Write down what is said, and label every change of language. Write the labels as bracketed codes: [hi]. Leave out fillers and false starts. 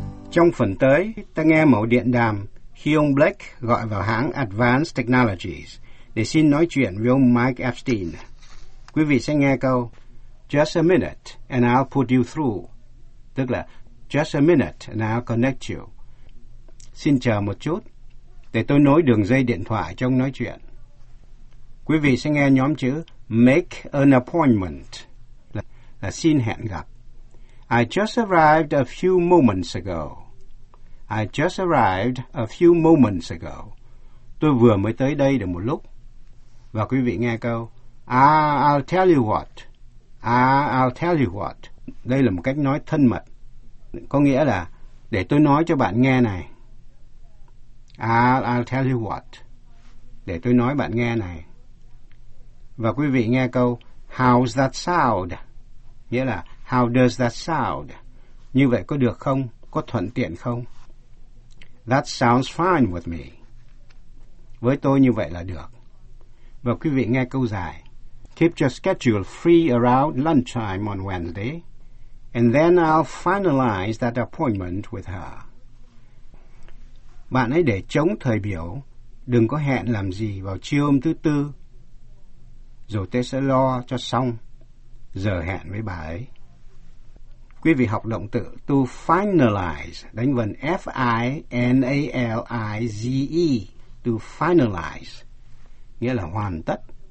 [vi] Trong phần tới, ta nghe mẫu điện đàm khi ông Blake gọi vào hãng Advanced Technologies để xin nói chuyện với ông Mike Epstein. Quý vị sẽ nghe câu [en] Just a minute and I'll put you through. [vi] Tức là [en] Just a minute and I'll connect you. [vi] Xin chờ một chút để tôi nối đường dây điện thoại trong nói chuyện. Quý vị sẽ nghe nhóm chữ [en] Make an appointment [vi] là xin hẹn gặp. [en] I just arrived a few moments ago. I just arrived a few moments ago. [vi] Tôi vừa mới tới đây được một lúc. Và quý vị nghe câu, [en] I'll tell you what. I'll tell you what. [vi] Đây là một cách nói thân mật. Có nghĩa là, để tôi nói cho bạn nghe này. [en] I'll tell you what. [vi] Để tôi nói bạn nghe này. Và quý vị nghe câu, [en] how's that sound? [vi] Nghĩa là, [en] how does that sound? [vi] Như vậy có được không? Có thuận tiện không? [en] That sounds fine with me. [vi] Với tôi như vậy là được. Và quý vị nghe câu dài. [en] Keep your schedule free around lunchtime on Wednesday, and then I'll finalize that appointment with her. [vi] Bạn ấy để trống thời biểu, đừng có hẹn làm gì vào chiều hôm thứ tư, rồi tôi sẽ lo cho xong giờ hẹn với bà ấy. Quý vị học động từ to finalize, đánh vần F-I-N-A-L-I-Z-E, to finalize, nghĩa là hoàn tất.